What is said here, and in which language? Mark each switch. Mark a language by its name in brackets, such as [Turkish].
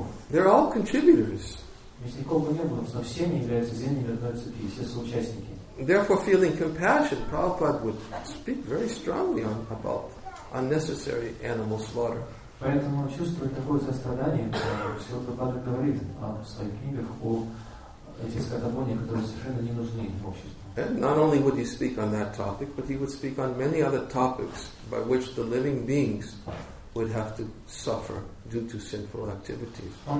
[English] They're all contributors. Therefore, feeling compassion, Prabhupada would speak very strongly on about unnecessary animal slaughter. [Russian] Поэтому чувствуя такое сострадание, Сила Прабхупада говорит в своих книгах о этих скотобойнях, которые совершенно не нужны обществу. [English] And not only would he speak on that topic, but he would speak on many other topics by which the living beings would have to suffer due to sinful activities.